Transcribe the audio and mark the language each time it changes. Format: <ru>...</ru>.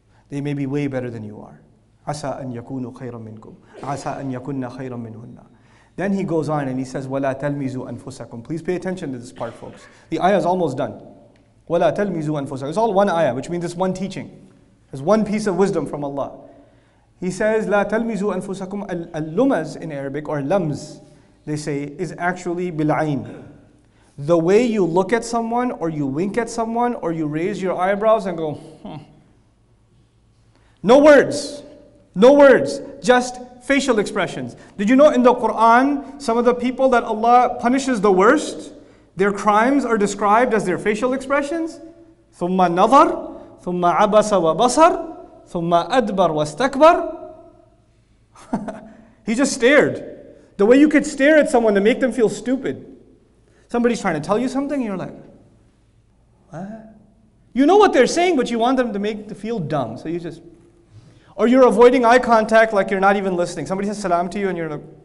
<en>They may be way better than you are.</en> <ar>عَسَىٰ أَن يَكُونُوا خَيْرًا مِنْكُمْ عَسَىٰ أَن يَكُنَّ خَيْرًا مِنْهُنَّ.</ar> <en>Then he goes on and he says,</en> <ar>وَلَا تَلْمِزُوا أَنفُسَكُمْ.</ar> <en>Please pay attention to this part, folks. The ayah is almost done.</en> <ar>وَلَا تَلْمِزُوا أَنفُسَكُمْ.</ar> <en>It's all one ayah, which means it's one teaching. It's one piece of wisdom from Allah. He says,</en> <ar>لَا تَلْمِزُوا أَنفُسَكُمْ.</ar> <en>Al-lumaz in Arabic, or lams, they say, is actually bil'ayn. The way you look at someone, or you wink at someone, or you raise your eyebrows and go, No words. Just facial expressions. Did you know in the Quran, some of the people that Allah punishes the worst, their crimes are described as their facial expressions?</en> <ar>ثُمَّ نَظَرْ ثُمَّ عَبَسَ وَبَصَرْ ثُمَّ أَدْبَرْ وَاسْتَكْبَرْ</ar> <en>He just stared. The way you could stare at someone to make them feel stupid. Somebody's trying to tell you something, and you're like, what? You know what they're saying, but you want them to make to feel dumb. So you just... Or you're avoiding eye contact like you're not even listening. Somebody says salam to you and you're like...</en>